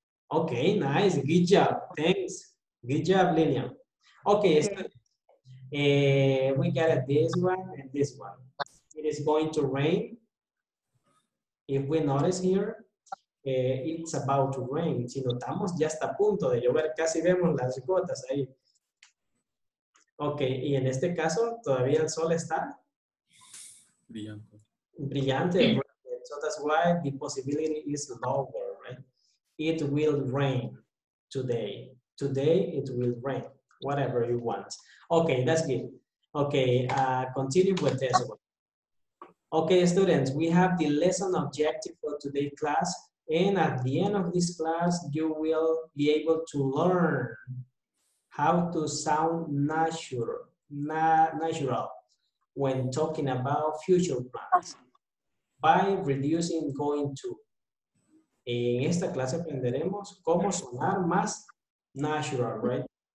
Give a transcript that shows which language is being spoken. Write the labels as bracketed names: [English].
[English] Okay, nice. Good job. Thanks. Good job, Lilia. Okay, okay. We got this one and this one. It is going to rain. If we notice here, it's about to rain. [Spanish] Si notamos, ya está a punto de llover. Casi vemos las gotas ahí. Ok, y en este caso, ¿todavía el sol está? Brillante. Brillante. Sí. [English] So that's why the possibility is lower, right? It will rain today. Today it will rain. Whatever you want. Ok, that's good. Ok, continue with this one. Ok, students, we have the lesson objective for today's class. And at the end of this class, you will be able to learn how to sound natural when talking about future plans by reducing going to. [Spanish] En esta clase aprenderemos cómo sonar más natural, right?